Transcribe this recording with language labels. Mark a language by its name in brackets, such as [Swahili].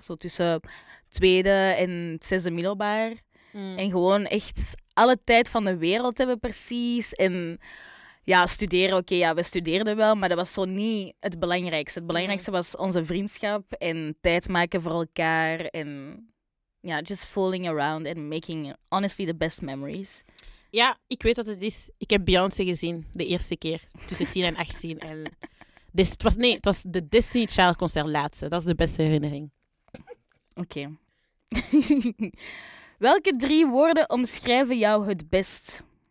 [Dutch] Zo tussen tweede en zesde middelbaar. Mm. En gewoon echt alle tijd van de wereld hebben precies. En ja, studeren, oké, ja, we studeerden wel, maar dat was zo niet het belangrijkste. Het belangrijkste was onze vriendschap en tijd maken voor elkaar en... [English] Ja, just fooling around and making honestly the best memories. [Dutch] Ja, ik weet wat het is. Ik heb Beyoncé gezien de eerste keer tussen 10 en 18. En dus het was de Disney Child concert laatste. Dat is de beste herinnering. Oké. Okay. Welke drie woorden omschrijven jou het best?